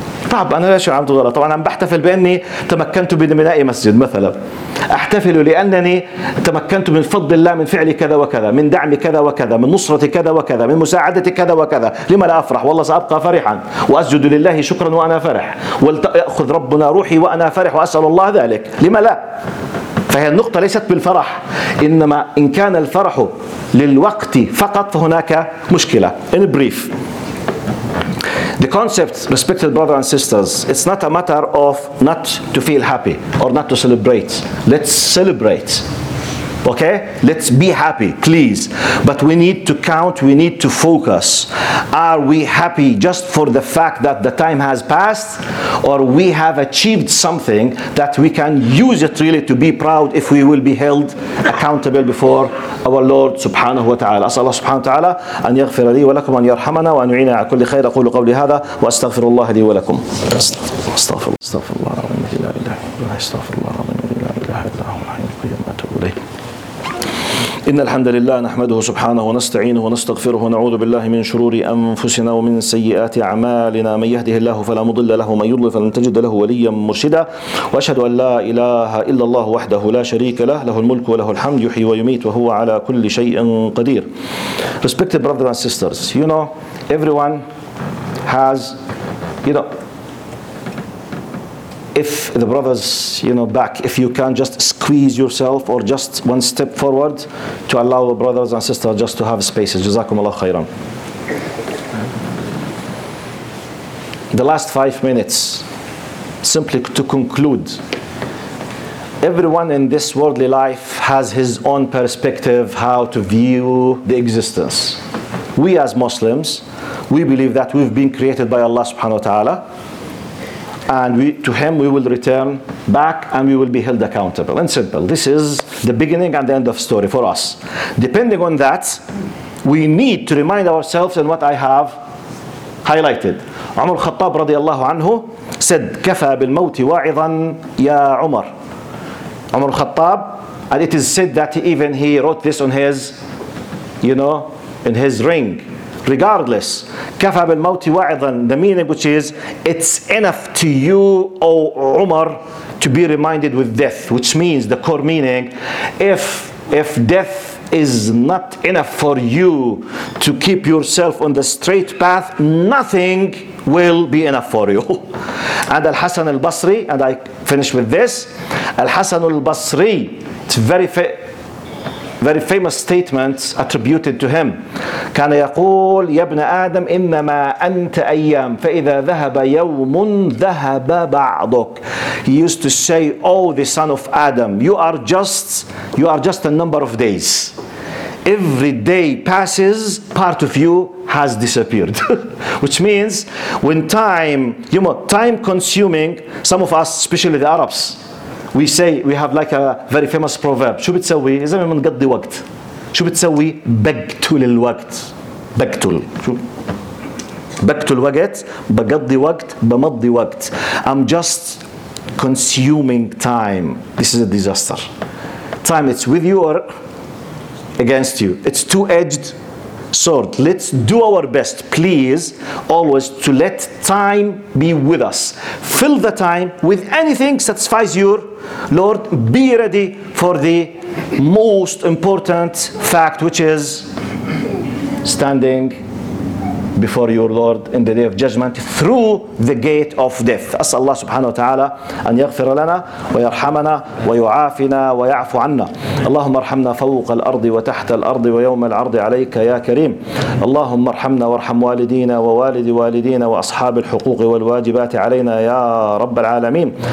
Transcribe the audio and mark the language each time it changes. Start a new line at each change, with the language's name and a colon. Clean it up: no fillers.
Arabic: طب أنا ليش عملت غلط؟ طبعا أنا بحتفل بأني تمكنت ببناء مسجد مثلا، أحتفل لأنني تمكنت من فضل الله من فعل كذا وكذا، من دعم كذا وكذا، من نصرة كذا وكذا، من مساعدة كذا وكذا، لما لا أفرح؟ والله سأبقى فرحا وأسجد لله شكرا وأنا فرح، ويأخذ ربنا روحي وأنا فرح وأسأل الله ذلك، لما لا؟ فهي النقطة ليست بالفرح، إنما إن كان الفرح للوقت فقط فهناك مشكلة.
English: In brief, the concept, respected brothers and sisters, it's not a matter of not to feel happy or not to celebrate. Let's celebrate. Okay? Let's be happy, please. But we need to count, we need to focus. Are we happy just for the fact that the time has passed? Or we have achieved something that we can use it really to be proud if we will be held accountable before our Lord subhanahu wa ta'ala.
Arabic: أسأل الله سبحانه وتعالى أن يغفر لي ولكم وأن يرحمنا وأن يعيننا على كل خير. أقول قولي هذا وأستغفر الله لي ولكم. أستغفر الله العظيم الذي لا إله إلا هو، أستغفر الله العظيم الذي لا إله إلا هو، الحي القيوم أتوب إليه. إن الحمد لله نحمده سبحانه ونستعينه ونستغفره ونعوذ بالله من شرور أنفسنا ومن سيئات أعمالنا، من يهده الله فلا مضل له، من يضلل فلن تجد له وليا مرشدا، وأشهد أن لا إله إلا الله وحده لا شريك له، له الملك وله الحمد يحيي ويميت وهو على كل شيء قدير.
English: Respected brothers and sisters, you know, everyone has, you know, if the brothers, you know, back, if you can just squeeze yourself or just one step forward to allow the brothers and sisters just to have spaces. Jazakum Allah khairan. The last 5 minutes, simply to conclude, everyone in this worldly life has his own perspective how to view the existence. We as Muslims, we believe that we've been created by Allah subhanahu wa ta'ala, and to him we will return back and we will be held accountable. And simple, this is the beginning and the end of story for us. Depending on that, we need to remind ourselves in what I have highlighted. Umar Khattab radiallahu anhu said,
Arabic: كَفَى بِالْمَوْتِ وَاعِظًا يَا عُمَرُ.
English: Umar Khattab, and it is said that even he wrote this on his, you know, in his ring. Regardless,
Arabic: كفى بالموت واعظا,
English: the meaning which is, it's enough to you, O Umar, to be reminded with death, which means the core meaning, if death is not enough for you to keep yourself on the straight path, nothing will be enough for you. And Al-Hasan al-Basri, and I finish with this, Al-Hasan al-Basri, it's very very famous statements attributed to him.
Arabic: كان يقول يا ابن آدم إنما أنت أيام فإذا ذهب يوم ذهب بعضك.
English: He used to say, oh, the son of Adam, you are just a number of days. Every day passes, part of you has disappeared. Which means when time, you know, time consuming, some of us, especially the Arabs, we say, we have like a very famous proverb.
Arabic: شو بتسوي؟ إذا ما بنقضي وقت. شو بتسوي؟ بقتل الوقت. بقتل. بقتل وقت. بقضي وقت. بمضي وقت.
English: I'm just consuming time. This is a disaster. Time, it's with you or against you. It's two-edged sword. Let's do our best, please, always to let time be with us. Fill the time with anything satisfies your Lord. Be ready for the most important fact, which is standing before your Lord in the day of judgment through the gate of death.
Arabic: أسأل الله سبحانه وتعالى أن يغفر لنا ويرحمنا ويعافنا ويعفو عنا. اللهم ارحمنا فوق الأرض وتحت الأرض ويوم العرض عليك يا كريم. اللهم ارحمنا وارحم والدينا ووالدي والدينا وأصحاب الحقوق والواجبات علينا يا رب العالمين.